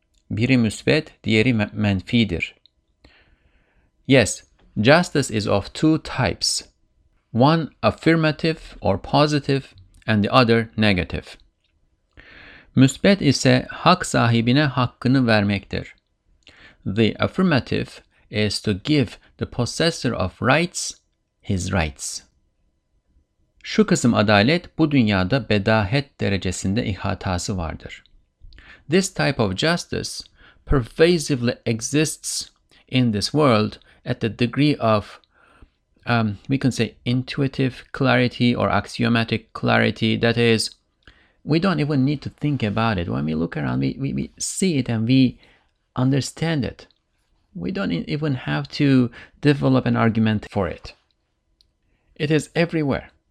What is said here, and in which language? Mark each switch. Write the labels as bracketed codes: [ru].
[tr] Biri müsbet, diğeri menfidir. [en] Yes, justice is of two types. One affirmative or positive and the other negative. [tr] Müsbet ise hak sahibine hakkını vermektir. [en] The affirmative is to give the possessor of rights his rights. [tr] Şu kısım adalet bu dünyada bedahet derecesinde ihatası vardır. [en] This type of justice pervasively exists in this world at the degree of, we can say, intuitive clarity or axiomatic clarity. That is, we don't even need to think about it. When we look around, we see it and we understand it. We don't even have to develop an argument for it. It is everywhere.